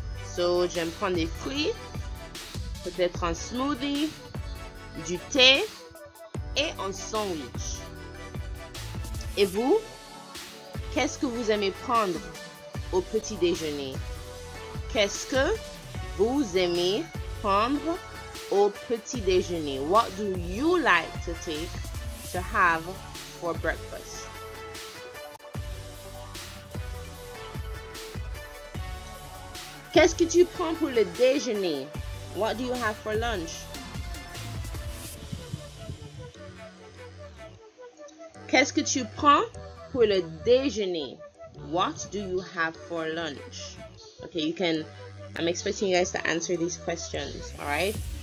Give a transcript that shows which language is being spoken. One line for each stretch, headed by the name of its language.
French: So, j'aime prendre des fruits, peut-être un smoothie, du thé et un sandwich. Et vous? Qu'est-ce que vous aimez prendre au petit déjeuner? Qu'est-ce que vous aimez prendre au petit déjeuner?
English: What do you like to take to have for breakfast?
French: Qu'est-ce que tu prends pour le déjeuner?
English: What do you have for lunch?
French: Qu'est-ce que tu prends pour le déjeuner?
English: What do you have for lunch? Okay, you can. I'm expecting you guys to answer these questions, alright?